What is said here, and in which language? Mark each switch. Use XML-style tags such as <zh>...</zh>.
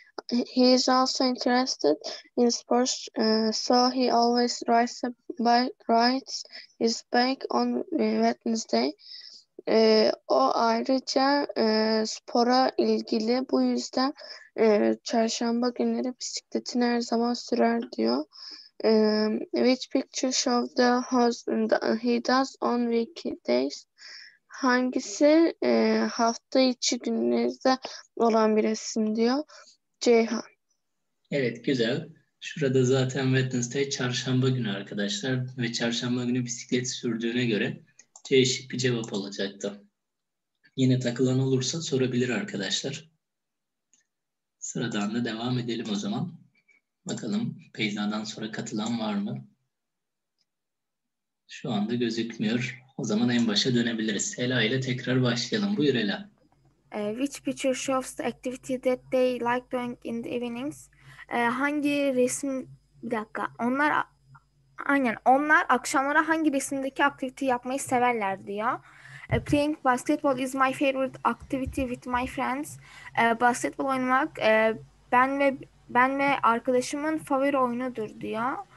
<en>He is also interested in sports, so he always rides his bike on Wednesday.</en> <tr>O ayrıca spora ilgili, bu yüzden çarşamba günleri bisikletini her zaman sürer diyor.</tr> <en>Which picture show the husband he does on weekdays?</en> <tr>Hangisi hafta içi günlerde olan bir resim diyor. Ceyhan. Evet güzel. Şurada zaten Wednesday çarşamba günü arkadaşlar ve çarşamba günü bisiklet sürdüğüne göre değişik bir cevap olacaktı. Yine takılan olursa sorabilir arkadaşlar. Sıradan da devam edelim o zaman. Bakalım Peyza'dan sonra katılan var mı? Şu anda gözükmüyor. O zaman en başa dönebiliriz. Ela ile tekrar başlayalım. Buyur Ela.</tr> <en>Which picture shows the activity that they like doing in the evenings?</en> <tr>Hangi resim... Bir dakika. Onlar... Aynen. Onlar akşamlara hangi resimdeki aktiviteyi yapmayı severler diyor.</tr> <en>Playing basketball is my favorite activity with my friends.</en> <tr>Basketbol oynamak ben ve arkadaşımın favori oyunudur diyor.</tr>